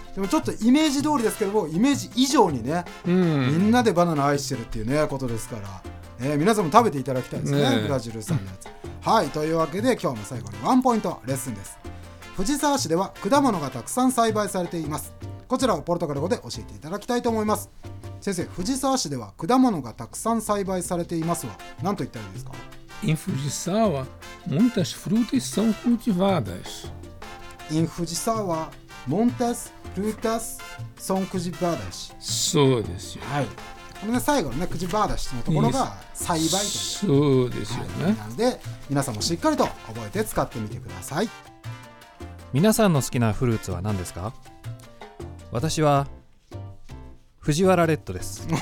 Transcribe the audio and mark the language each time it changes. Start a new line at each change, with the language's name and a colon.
Japanese: でもちょっとイメージ通りですけども、イメージ以上にね、みんなでバナナ愛してるっていうねことですから、皆さんも食べていただきたいです ね。ブラジルさんのやつ。はい、というわけで今日も最後にワンポイントレッスンです。藤沢市では果物がたくさん栽培されています。こちらをポルトガル語で教えていただきたいと思います。先生、藤沢市では果物がたくさん栽培されていますは何と言ったらいいですか？
Portuguese: Em Fujisawa, muitas frutas são cultivadas. Em Fujisawa, muitas frutas são cultivadas.
Japanese: そうですよ。はい。このね、最後のね、クジバーダシのところが栽培という。そうですよね。はい、なので、皆さんもしっかりと覚えて使ってみてください。皆さんの好きなフルーツは何ですか？私は藤原レッドです。